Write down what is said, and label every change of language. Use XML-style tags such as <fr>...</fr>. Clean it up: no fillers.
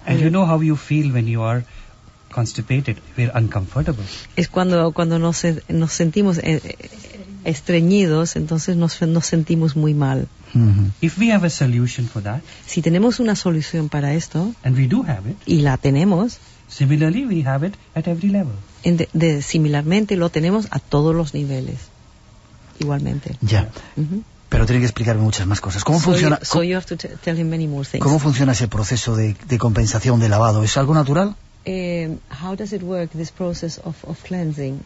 <en>And you know how you feel when you are constipated, we're uncomfortable.</en> <es>Es cuando nos sentimos estreñidos, entonces nos sentimos muy mal.</es> <en>Mm-hmm. If we have a solution for that.</en> <es>Si tenemos una solución para esto.</es> <en>And we do have it.</en> <es>Y la tenemos.</es> <en>Similarly, we have it at every level.</en> <es>Similarmente, lo tenemos a todos los niveles, igualmente. Ya. Yeah. Mm-hmm. Pero tiene que explicarme muchas más cosas. ¿Cómo funciona?</es> <en>So you have to tell him many more things.</en> <es>¿Cómo funciona ese proceso de compensación de lavado? ¿Es algo natural?</es> <en>How does it work, this process of cleansing?</en>